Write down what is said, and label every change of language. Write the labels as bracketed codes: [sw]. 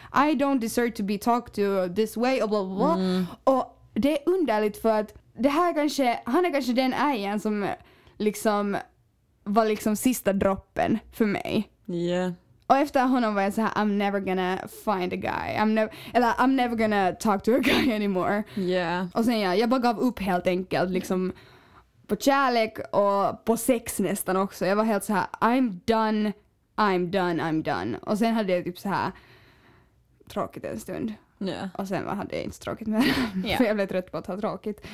[en] I don't deserve to be talked to this way och blah, blah, blah. [sv] Och det är underligt för att det här kanske, han är kanske den ägen som liksom var liksom sista droppen för mig. Ja. Yeah. Och efter honom var jag så här, [en] I'm never gonna find a guy. I'm never gonna talk to a guy anymore. Yeah. [sv] Och sen jag bara gav upp helt enkelt liksom på kärlek och på sex nästan också. Jag var helt så här, [en] I'm done. [sv] Och sen hade jag typ så här tråkigt en stund. [en] Yeah. [sv] Och sen hade jag inte tråkigt med för jag blev trött på att ha tråkigt.